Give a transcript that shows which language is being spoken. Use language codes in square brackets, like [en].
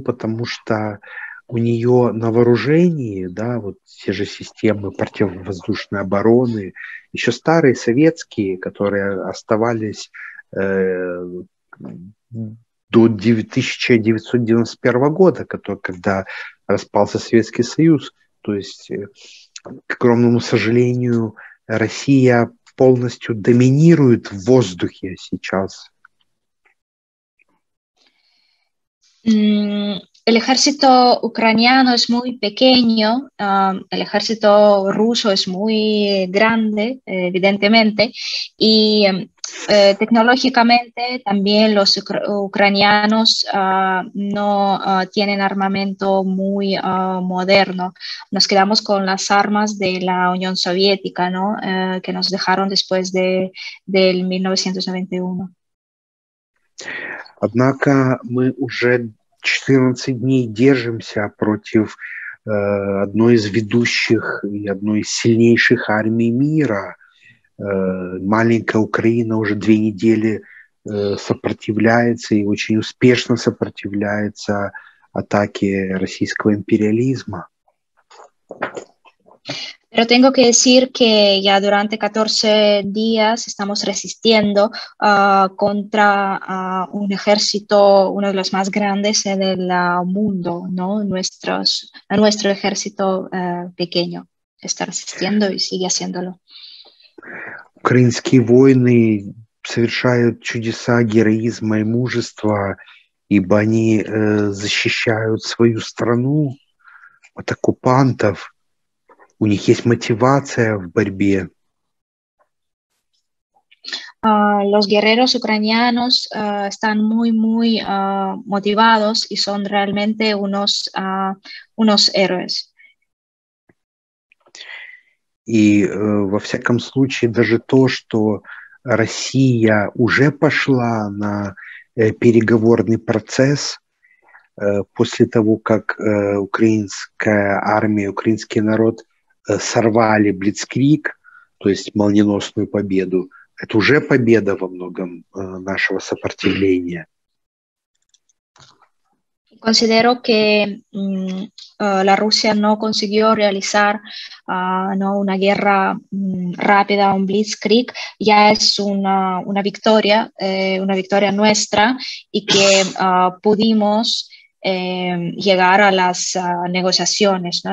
[ru] Потому что у нее на вооружении, да, вот те же системы противовоздушной обороны, еще старые советские, которые оставались до 1991 года, когда распался Советский Союз. То есть, к огромному сожалению, Россия полностью доминирует в воздухе сейчас. [es] El ejército ucraniano es muy pequeño, el ejército ruso es muy grande, evidentemente, y tecnológicamente también los ucranianos no tienen armamento muy moderno. Nos quedamos con las armas de la Unión Soviética, ¿no?, que nos dejaron después del 1991. [ru] Однако мы уже 14 дней держимся против одной из ведущих и одной из сильнейших армий мира. Маленькая Украина уже 2 недели сопротивляется и очень успешно сопротивляется атаке российского империализма. [es] Pero tengo que decir que ya durante 14 días estamos resistiendo contra un ejército, uno de los más grandes del mundo, ¿no? Nuestro ejército pequeño está resistiendo y sigue haciéndolo. [ru] Украинские воины совершают чудеса героизма и мужества, ибо они защищают свою страну от оккупантов. У них есть мотивация в борьбе. [es] Los guerreros ucranianos están muy, muy motivados y son realmente unos héroes. [ru] И во всяком случае, даже то, что Россия уже пошла на переговорный процесс после того, как украинская армия, украинский народ сорвали блицкриг, то есть молниеносную победу. Это уже победа во многом нашего сопротивления. [es] Considero que la Rusia no consiguió realizar no una guerra rápida, un blitzkrieg, ya es una victoria nuestra y que pudimos llegar a las negociaciones, ¿no?